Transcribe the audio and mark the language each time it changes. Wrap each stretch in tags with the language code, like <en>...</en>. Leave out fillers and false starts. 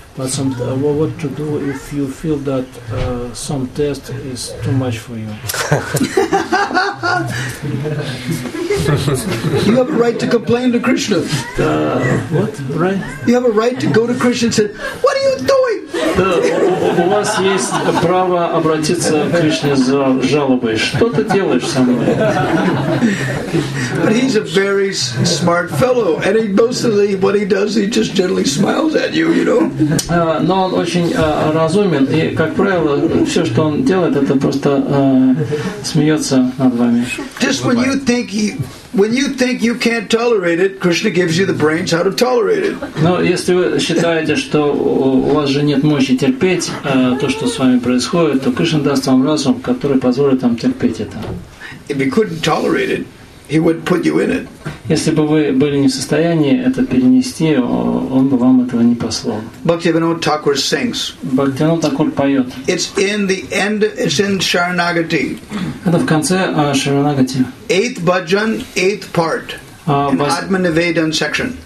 <en>But what to do if you feel that some test is too much for you? You have a right to complain to Krishna. What? Right? You have a right to go to Krishna and say, what are you doing?</en> <ru>У вас есть право обратиться к Кришне за жалобой. Что ты делаешь со мной?</ru> <en>But he's a very smart fellow. And he mostly, what he does, he just generally smiles at you, you know?</en> <ru>Но он очень разумен, и, как правило, все, что он делает, это просто смеется над вами.</ru> <en>Just when you think you can't tolerate it, Krishna gives you the brains how to tolerate it.</en> <ru>Но если вы считаете, что у вас же нет мощи терпеть то, что с вами происходит, то Кришна даст вам разум, который позволит вам терпеть это.</ru> <en>If you couldn't tolerate it, he would put you in it.</en> <ru>Если бы вы были не в состоянии это перенести, он бы вам этого не послал.</ru> <en>Bhaktivinoda Thakur sings.</en> <ru>Bhaktivinoda Thakur поет.</ru> <en>It's in the end, it's in Sharanagati.</en> <ru>Это в конце Sharanagati.</ru> <en>Eighth bhajan, eighth part. Atmanivedan section.</en>